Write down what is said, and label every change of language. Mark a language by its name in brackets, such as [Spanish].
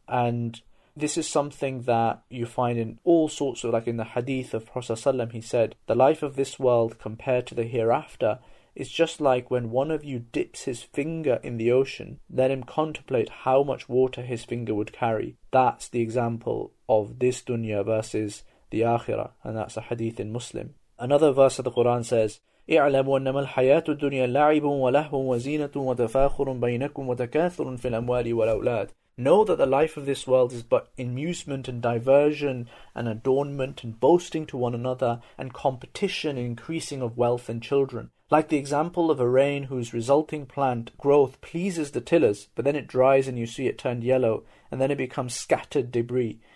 [English] And this is something that you find in all sorts of, like in the Hadith of Prophet ﷺ, he said, the life of this world compared to the hereafter is just like when one of you dips his finger in the ocean, let him contemplate how much water his finger would carry. That's the example of this dunya versus the akhirah, and that's a hadith in Muslim. Another verse of the Quran says, [Arabic] اعلموا أنما الحياة الدنيا لعب ولهو وزينة وتفاخر بينكم وتكاثر في الأموال والأولاد. [English] Know that the life of this world is but amusement and diversion and adornment and boasting to one another and competition and increasing of wealth and children. Like the example of a rain whose resulting plant growth pleases the tillers, but then it dries and you see it turned yellow, and then it becomes scattered debris.